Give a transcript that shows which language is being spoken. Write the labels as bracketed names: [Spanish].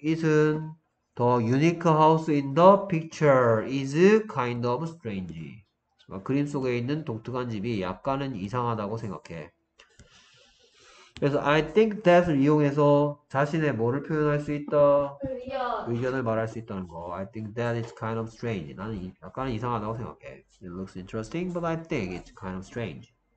[English] It은 the unique house in the picture is kind of strange. [Korean] 그림 속에 있는 독특한 집이 약간은 이상하다고 생각해. 그래서 [English] I think that [Korean] 을 이용해서 자신의 뭐를 표현할 수 있다? 의견을 말할 수 있다는 거. [English] I think that is kind of strange. [Korean] 나는 약간 이상하다고 생각해. [English] It looks interesting, but I think it's kind of strange.